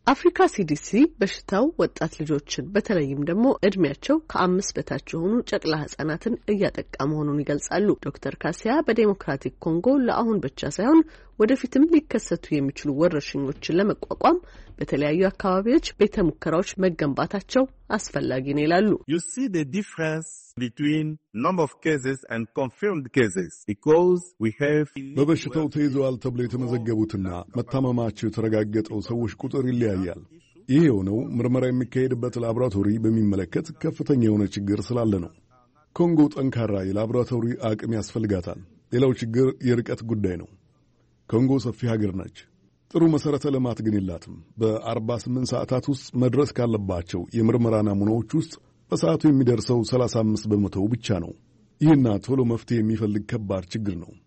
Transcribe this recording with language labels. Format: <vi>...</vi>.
<am>አፍሪካ ሲዲሲ በሽታው ወጣት ልጆችን በተለይም ደግሞ እድሜያቸው ከአምስት በታች የሆኑ ጨቅላ ህጻናትን እያጠቃ መሆኑን ይገልጻሉ። ዶክተር ካሲያ በዲሞክራቲክ ኮንጎ ለአሁን ብቻ ሳይሆን ወደፊትም ሊከሰቱ የሚችሉ ወረርሽኞችን ለመቋቋም በተለያዩ አካባቢዎች ቤተ ሙከራዎች መገንባታቸው አስፈላጊ ነው ይላሉ።</am> <en>You see the difference between number of cases and confirmed cases because we have</en> <am>በበሽታው ተይዘዋል ተብለው የተመዘገቡትና መታመማቸው የተረጋገጠው ሰዎች ቁጥር ይለያያል። ይሄ የሆነው ምርመራ የሚካሄድበት ላብራቶሪ በሚመለከት ከፍተኛ የሆነ ችግር ስላለ ነው። ኮንጎ ጠንካራ የላብራቶሪ አቅም ያስፈልጋታል። ሌላው ችግር የርቀት ጉዳይ ነው። ኮንጎ ሰፊ ሀገር ነች። ጥሩ መሰረተ ልማት ግን የላትም። በ48 ሰዓታት ውስጥ መድረስ ካለባቸው የምርመራ ናሙናዎች ውስጥ በሰዓቱ የሚደርሰው 35% ብቻ ነው። ይህና ቶሎ መፍትሄ የሚፈልግ ከባድ ችግር ነው።</am>